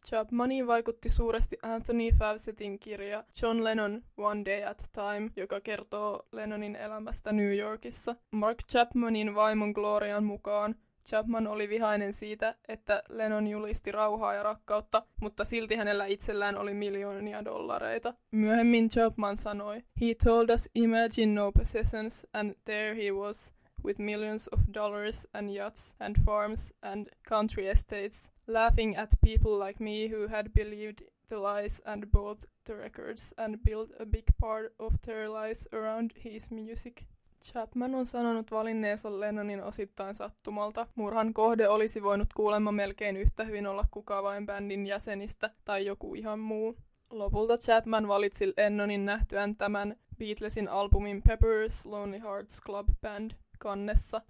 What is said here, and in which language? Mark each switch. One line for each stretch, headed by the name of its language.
Finnish: Chapmaniin vaikutti suuresti Anthony Fawcettin kirja John Lennon One Day at a Time, joka kertoo Lennonin elämästä New Yorkissa. Mark Chapmanin vaimon Glorian mukaan Chapman oli vihainen siitä, että Lennon julisti rauhaa ja rakkautta, mutta silti hänellä itsellään oli $1,000,000. Myöhemmin Chapman sanoi,
English: "He told us imagine no possessions and there he was with millions of dollars and yachts and farms and country estates, laughing at people like me who had believed the lies and bought the records and built a big part of their lives around his music."
Finnish: Chapman on sanonut valinneensa Lennonin osittain sattumalta. Murhan kohde olisi voinut kuulemma melkein yhtä hyvin olla kuka vain bändin jäsenistä tai joku ihan muu. Lopulta Chapman valitsi Lennonin nähtyään tämän Beatlesin albumin Pepper's Lonely Hearts Club Band kannessa.